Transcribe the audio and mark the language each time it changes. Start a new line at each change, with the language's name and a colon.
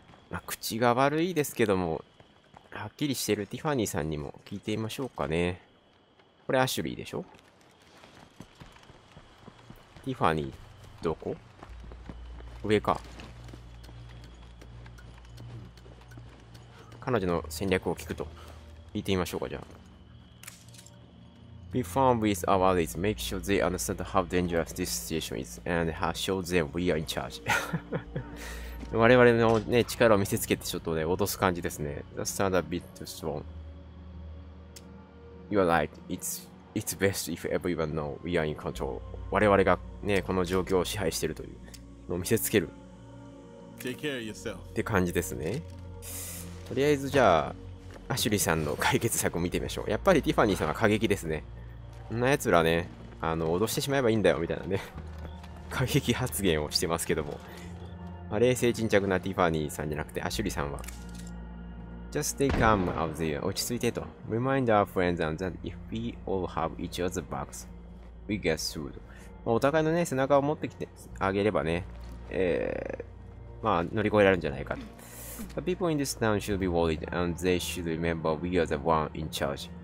Japanese: まあ、口が悪いですけども、はっきりしてるティファニーさんにも聞いてみましょうかね。これアシュリーでしょ？ティファニー、どこ？上か。彼女の戦略を聞くと。聞いてみましょうか、じゃあ。
English: Be firm with our leads. Make sure they understand how dangerous this situation is and show them we are in charge.
Japanese: 我々の、ね、力を見せつけてちょっとね、脅す感じですね。
English: Just stand a bit too strong. You are right. It's best if everyone know we are in control.
Japanese: 我々が、ね、この状況を支配しているというのを見せつける。
English: Take care of yourself.
Japanese: って感じですね。とりあえずじゃあアシュリーさんの解決策を見てみましょう。やっぱりティファニーさんは過激ですね。こんなやつらね、脅してしまえばいいんだよみたいなね過激発言をしてますけども、まあ、冷静沈着なティファニーさんじゃなくてアシュリーさんは
English: Just stay calm out there.
Japanese: 落ち着いてと。
English: Remind our friends that if we all have each other's backs we get through.
Japanese: まあ、お互いのね背中を持ってきてあげればね、まあ乗り越えられるんじゃないかと。
English: The people in this town should be worried and they should remember we are the one in charge.